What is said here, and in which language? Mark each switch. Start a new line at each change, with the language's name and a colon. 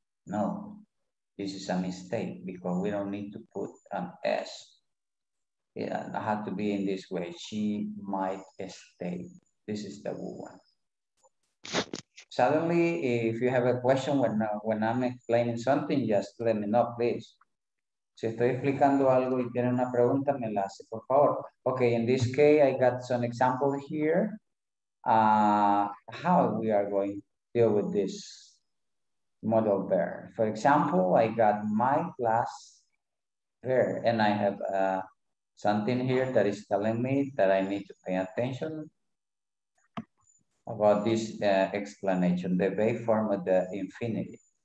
English: No, this is a mistake because we don't need to put an S. Yeah, it had to be in this way. She might stay. This is the good one. Suddenly, if you have a question when I'm explaining something, just let me know, please.
Spanish: Si estoy explicando algo y tiene una pregunta, me la hace, por favor.
English: Okay, in this case, I got some examples here. How we are going to deal with this modal pair. For example, I got my class there, and I have something here that is telling me that I need to pay attention about this explanation, the waveform of the infinity.